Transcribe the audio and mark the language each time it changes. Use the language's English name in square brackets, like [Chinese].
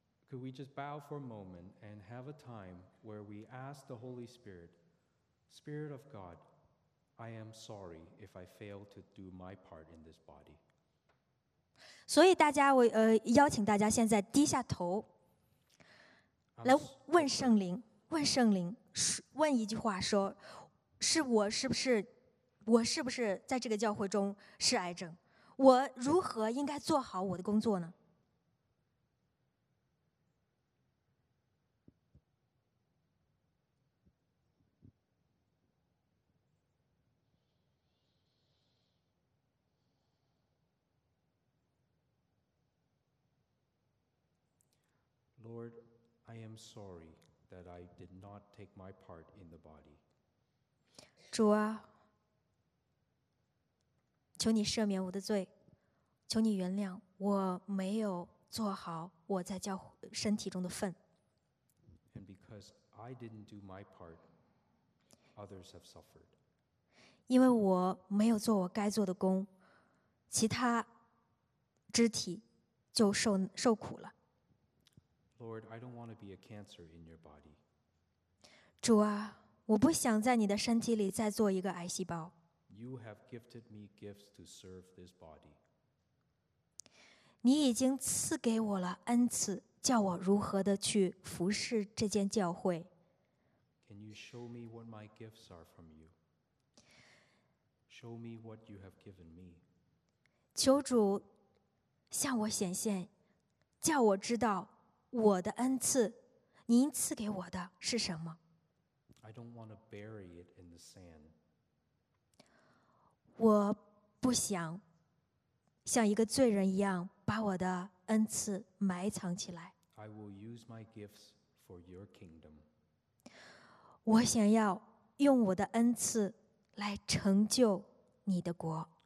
[English] Could we just bow for a moment and have a time where we ask the Holy Spirit, Spirit of God, I am sorry if I fail to do my part in this body. [Chinese] 所以大家，我邀请大家现在低下头，来问圣灵，问圣灵，问一句话说，是我是不是，我是不是在这个教会中是癌症？我如何应该做好我的工作呢？ [English] Lord, I am sorry that I did not take my part in the body. [Chinese] 主啊。求你赦免我的罪，求你原谅我没有做好我在教身体中的份。 [English] And because I didn't do my part, others have suffered. [Chinese] 因为我没有做我该做的工，其他肢体就受苦了。 [English] Lord, I don't want to be a cancer in your body. [Chinese] 主啊，我不想在你的身体里再做一个癌细胞。 [English] You have gifted me gifts to serve this body. [Chinese] 你已经赐给我了恩赐，叫我如何的去服侍这间教会。 [English] show me what my gifts are from you. Show me what you have given me. [Chinese] 求主向我显现，叫我知道我的恩赐，您赐给我的是什么。 [English] I don't want to bury it in the sand. [Chinese] 我不想像一个罪人一样把我的恩赐埋藏起来。 [English] I will use my gifts for your kingdom. [Chinese] 我想要用我的恩赐来成就你的国。